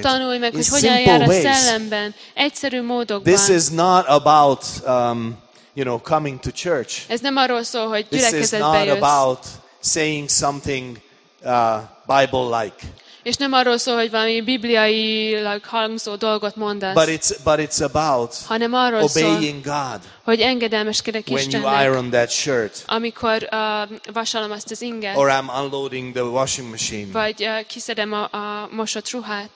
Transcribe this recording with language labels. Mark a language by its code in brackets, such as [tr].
[hu] Tanulj meg, hogy hogyan jár a szellemben, egyszerű módokban. [en] This is not about you know, coming to church. [hu] Ez nem arról szól, hogy gyülekezetbe jössz. [en] This is not about saying something Bible-like. [hu] És nem arról szól, hogy valami bibliailag hangzó dolgot mondasz. [en] But it's about [hu] hanem arról [en] obeying [hu] szól, [en] God. [hu] Hogy engedelmeskedek [en] when [hu] Istennek. [en] When you iron that shirt. [hu] Amikor vasalom azt az inget. [en] Or I'm unloading the washing machine. [hu] Vagy kiszedem a mosott ruhát.